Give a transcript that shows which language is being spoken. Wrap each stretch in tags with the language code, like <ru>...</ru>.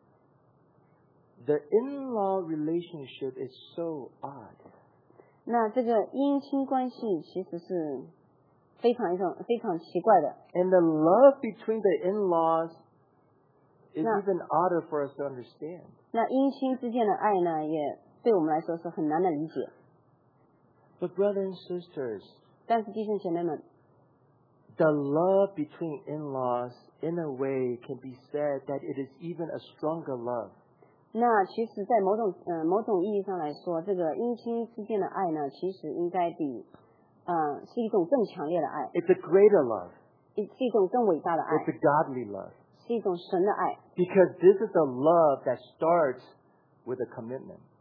<zh>你们岂能等着他们不嫁别人呢？我女儿们呢，不要这样。我为你们的缘故甚是愁苦，因为耶和华伸手攻击我。</zh> <en>The in-law relationship is so odd.</en> <zh>那这个姻亲关系其实是非常奇怪的。</zh> <en>And the love between the in-laws. It's even odder for us to understand.</en> <zh>那姻亲之间的爱呢, 也对我们来说是很难的理解。</zh> <en>But brothers and sisters,</en> <zh>但是弟兄姐妹们,</zh> <en>the love between in-laws in a way can be said that it is even a stronger love.</en> <zh>那其实在某种, 某种意义上来说, 这个姻亲之间的爱呢, 其实应该比, 是一种更强烈的爱。</zh> <en>It's a greater love.</en> <zh>是一种更伟大的爱。</zh> <en>It's a godly love.</en> <zh>是一种神的爱,</zh> <en>because this is a love that starts with a commitment.</en>